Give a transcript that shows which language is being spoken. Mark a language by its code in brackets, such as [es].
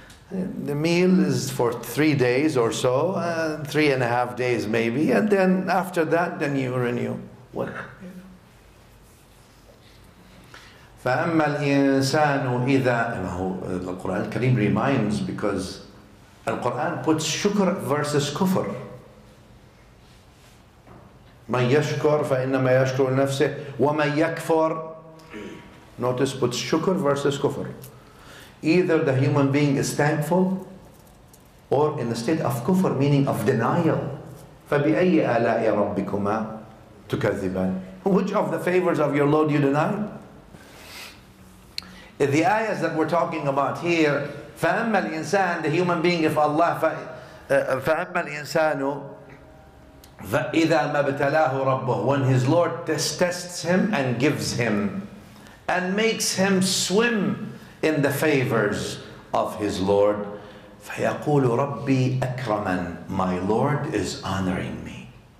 [en] The meal is for 3 days or so, 3.5 days maybe, and then after that, then you renew. What? [ar] فَأَمَّا الْإِنسَانُ إِذَا [en] The Qur'an al-Kareem reminds because the Qur'an puts shukr versus kufr. [ar] مَنْ يَشْكُرْ فَإِنَّمَا يَشْكُرْ نَفْسِهِ وَمَنْ يَكْفُرْ [en] Notice puts shukr versus kufr. Either the human being is thankful or in the state of kufr, meaning of denial. [ar] فَبِأَيِّ أَلَاءِ رَبِّكُمَا تُكَذِّبَانِ [en] Which of the favors of your Lord you deny? If the ayahs that we're talking about here, [ar] فَأَمَّا الْإِنسَانُ [en] The human being, if Allah, [ar] فَأَمَّا الْإِنسَانُ فَإِذَا مَبْتَلَاهُ رَبُّهُ [en] When his Lord tests him and gives him and makes him swim in the favors of his Lord, [ar] فَيَقُولُ رَبِّي أَكْرَمًا [en] My Lord is honoring me.